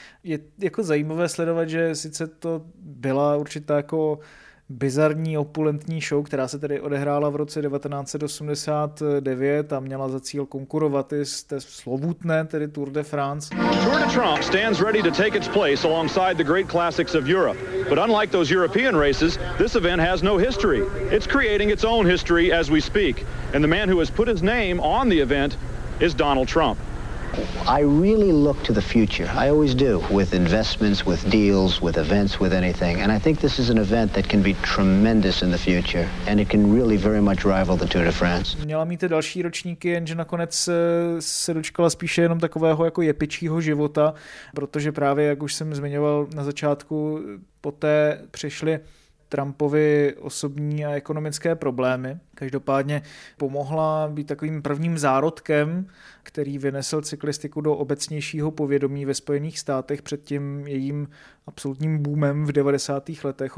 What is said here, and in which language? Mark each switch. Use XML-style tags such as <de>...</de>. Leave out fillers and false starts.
<cs>Je jako zajímavé sledovat, že sice to byla určitá jako bizarní opulentní show, která se tedy odehrála v roce 1989 a měla za cíl konkurovat i z té slovutné, tedy Tour de France.</cs> <en>Tour de Trump stands ready to take its place alongside the great classics of Europe. But unlike those European races, this event has no history. It's creating its own history as we speak. And the man who has put his name on the event is Donald Trump. I really look to the future. I always do, with investments, with deals, with events, with anything. And I think this is an event that can be tremendous in the future, and it can really very much rival the Tour de France.</en> <cs>Měla mít další ročníky, jenže nakonec se dočkala spíše jenom takového jako jepičího života, protože právě, jak už jsem zmiňoval na začátku, poté přišly Trumpovi osobní a ekonomické problémy. Každopádně pomohla být takovým prvním zárodkem, který vynesl cyklistiku do obecnějšího povědomí ve Spojených státech před tím jejím absolutním boomem v 90. letech.</cs>